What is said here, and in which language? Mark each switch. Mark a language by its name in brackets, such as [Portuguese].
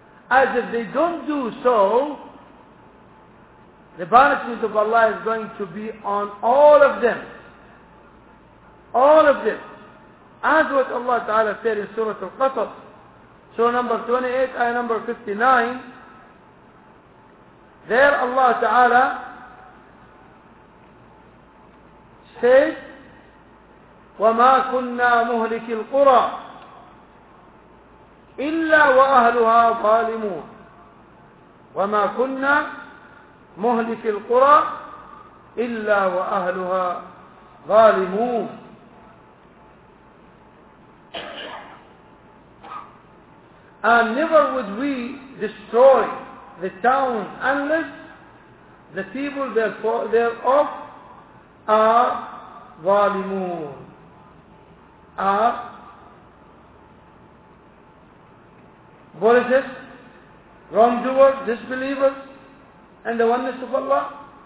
[English] As if they don't do so, the punishment of Allah is going to be on all of them. All of them. As what Allah Ta'ala said in Surah Al-Qasas, Surah number 28, Ayah number 59, There Allah Ta'ala says, [Arabic] وَمَا كُنَّا مُهْلِكِ الْقُرَىٰ إِلَّا وَأَهْلُهَا ظَالِمُونَ وَمَا كُنَّا مُهْلِكِ الْقُرَىٰ إِلَّا وَأَهْلُهَا ظَالِمُونَ. [English] And never would we destroy the town unless the people thereof are [Arabic] ظالمون, [English] are voracious, wrongdoers, disbelievers and the oneness of Allah.